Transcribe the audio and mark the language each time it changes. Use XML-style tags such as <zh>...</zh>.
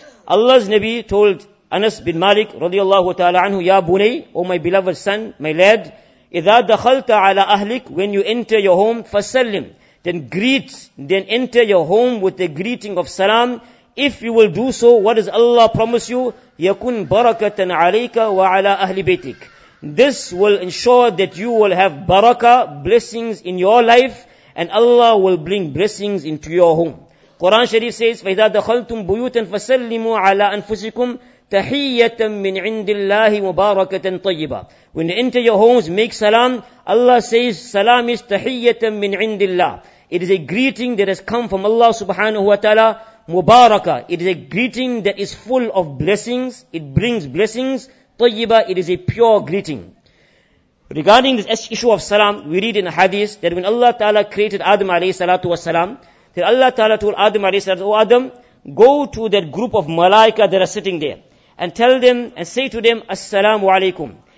<en>Allah's Nabi told Anas bin Malik, radiallahu ta'ala anhu, Ya Bunay, O my beloved son, my lad,</en> <ar>إِذَا دَخَلْتَ عَلَىٰ أَهْلِكَ,</ar> <en>when you enter your home,</en> <ar>فَسَلِّمْ,</ar> <en>then greet, then enter your home with the greeting of Salam. If you will do so, what does Allah promise you?</en> <ar>يَكُنْ بَرَكَةً عَلَيْكَ وَعَلَىٰ أَهْلِ بَيْتِكَ.</ar> <en>This will ensure that you will have barakah, blessings in your life, and Allah will bring blessings into your home. Quran Sharif says,</en> <ar>فَإِذَا دَخَلْتُمْ بُيُوتًا فَسَلِّمُوا عَلَىٰ أَنفُسِكُمْ تَحِيَّةً مِّنْ عِنْدِ اللَّهِ مُبَارَكَةً طَيِّبًا.</ar> <en>When you enter your homes, make salam. Allah says, salam is</en> <ar>تَحِيَّةً مِّنْ عِنْدِ اللَّهِ.</ar> <en>It is a greeting that has come from Allah subhanahu wa ta'ala.</en> <ar>مُبَارَكَة.</ar> <en>It is a greeting that is full of blessings. It brings blessings.</en> <ar>طَيِّبًا.</ar> <en>It is a pure greeting. Regarding this issue of salam, we read in a hadith that when Allah ta'ala created Adam alayhi salatu wa salam, that Allah ta'ala told Adam alayhi salatu wa salam, O Adam, go to that group of malaika that are sitting there and tell them and say to them, Assalamu alaikum.</en>